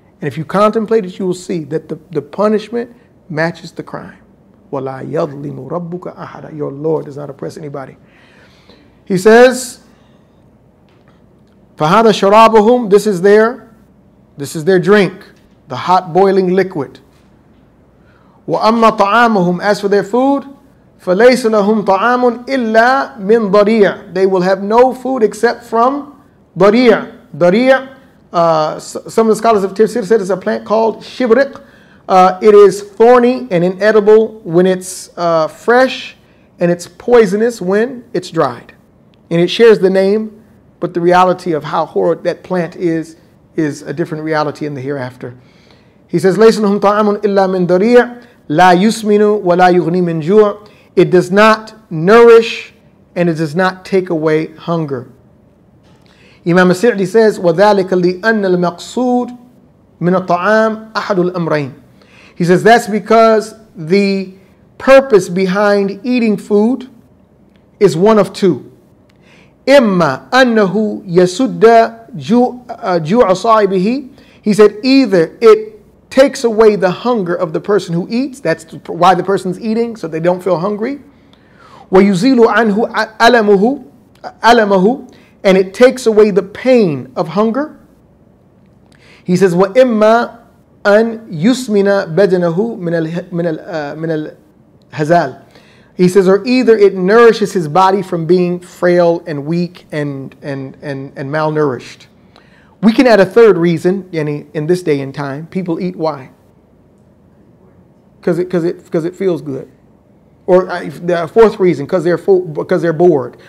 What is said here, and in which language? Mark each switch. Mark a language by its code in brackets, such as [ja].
[en] And if you contemplate it, you will see that the punishment matches the crime. [ar] وَلَا يَظْلِمُ رَبُّكَ أَحَدًا. [en] Your Lord does not oppress anybody. He says, [ar] فَهَذَا شَرَابُهُمْ. [en] This is their drink, the hot boiling liquid. [ar] وَأَمَّا طَعَامُهُمْ. [en] As for their food, [ar] فَلَيْسَ لَهُمْ طَعَامٌ إِلَّا مِنْ ضَرِيعٍ. [en] They will have no food except from ضَرِيعٍ. ضَرِيعٍ, some of the scholars of Tafsir said it's a plant called shibriq. It is thorny and inedible when it's fresh. and it's poisonous when it's dried. And it shares the name, but the reality of how horrid that plant is a different reality in the hereafter. He says, [ar] لَيْسَ لَهُمْ طَعَامٌ إِلَّا مِنْ ضَرِيعٍ لَا يُسْمِنُ وَلَا يُغْنِي مِنْ جُوعٍ. [en] It does not nourish and it does not take away hunger. Imam Sa'di says, [ar] وَذَلِكَ لِأَنَّ الْمَقْصُودِ مِنَ الطَّعَامِ أَحَدُ الْأَمْرَيْنِ. [en] He says, that's because the purpose behind eating food is one of two. [ar] إِمَّا أَنَّهُ يَسُدَّ جُوعَ صَاحِبِهِ. [en] He said, either it takes away the hunger of the person who eats, that's why the person's eating, so they don't feel hungry. [ar] وَيُزِيلُ عَنْهُ أَلَمَهُ. [en] And it takes away the pain of hunger. He says, [ar] وَإِمَّا أَنْ يُسْمِنَ بَدَنَهُ مِنَ الْهَزَالِ. [en] He says, or either it nourishes his body from being frail and weak and malnourished. We can add a third reason, Yenny, in this day and time. People eat why? Because it feels good. Or a fourth reason, because they're bored.